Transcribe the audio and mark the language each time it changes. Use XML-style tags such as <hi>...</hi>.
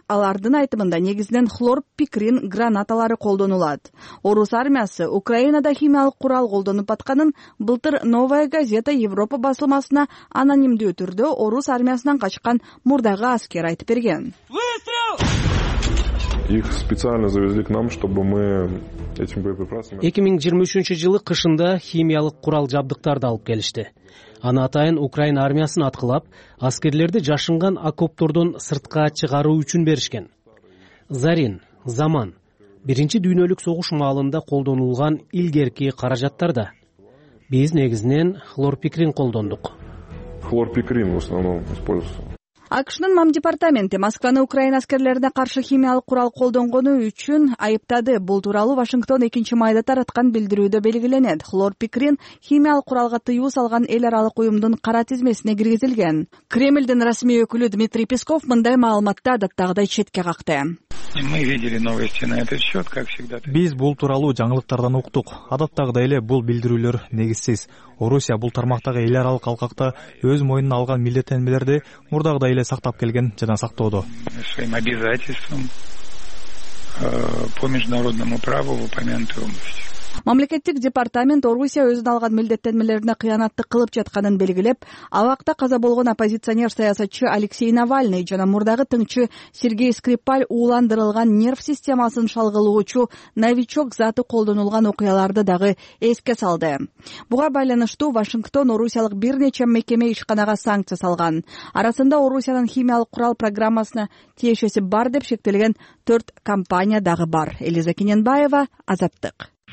<ky>Алардын айтымында негизинен хлор, пикрин, гранаталары колдонулат. Орус армиясы Украинада химиялык курал колдонуп атканын былтыр Новая газета Европа басылмасына анонимдүү түрдө орус армиясынан качкан мурдагы аскер айтып берген.</ky> <ru>Выстрел! Их специально завезли к нам, чтобы мы этим боеприпасами.</ru> <ky>2023 жылы кышында химиялык курал жабдыктарды алып келишти. Аны атайын Украина армиясын аткылап, аскерлерди жашынган окоптордон сыртка чыгаруу үчүн беришкен. Зарин, Заман, Биринчи дүйнөлүк согуш маалында колдонулган илгерки каражаттарда. Биз негизинен хлорпикрин колдондук.</ky> <ru>Хлорпикрин в основном используется.</ru> <ky>АКШ'нын Мамдепартаменти Москваны Украина аскерлерине каршы химиялык курал колдонгону үчүн айыптады. Бул тууралуу Вашингтон 2 майда тараткан билдирүүдө белгиленет. Хлорпикрин химиялык куралга тыюу салган эл аралык уюмдун кара тизмесине киргизилген. Кремлдин расмий өкүлү Дмитрий Песков мындай маалыматты адаттагыдай четке какты.</ky> <ru>Мы видели новости на этот счет, как всегда.</ru> <ky>Биз бул тууралуу жаңылыктардан уктук. Адаттагыдай эле бул билдирүүлөр негизсиз. Орусия бул тармактагы эл аралык алкакта өз мойнуна алган милдеттенмелерди мурдагыдай эле сактап келген жана сактоодо.</ky> <ru>Своим обязательствам по международному праву в упомянутой области.</ru> <ky>Мамлекеттик департамент Орусия өзүн алган милдеттенмелерине кыянатты кылып жатканын белгилеп, абакта каза болгон оппозиционер саясатчы Алексей Навальный жана мурдагы тыңчы Сергей Скрипаль ууландырылган нерв системасын шалгылоочу новичок заты колдонулган окуяларды дагы эске салды. Буга байланыштуу Вашингтон орусиялык бир нече мекеме ишканага санкция салган. Арасында Орусиянын химиялык курал программасына тиешеси бар деп шектелген 4 компания дагы бар. Элиза Кененбаева, Азаттык.</ky>